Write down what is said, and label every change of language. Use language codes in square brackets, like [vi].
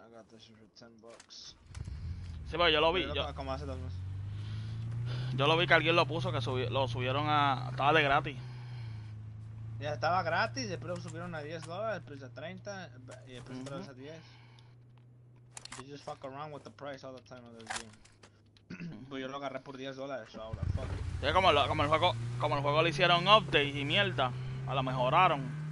[en] This is for 10 bucks. [es] Sí, pero yo lo Yo vi, lo acabo como hace 2 meses. yo lo vi que alguien lo puso, que lo subieron a, estaba de gratis. Ya estaba gratis, después lo subieron a $10, después a 30 y después otra vez a 10. [en] They just fuck around with the price all the time of this game. [es] Pues yo lo agarré por $10, so ahora [en] fuck it. [es] Sí, como el juego le hicieron update y mierda, a lo mejoraron.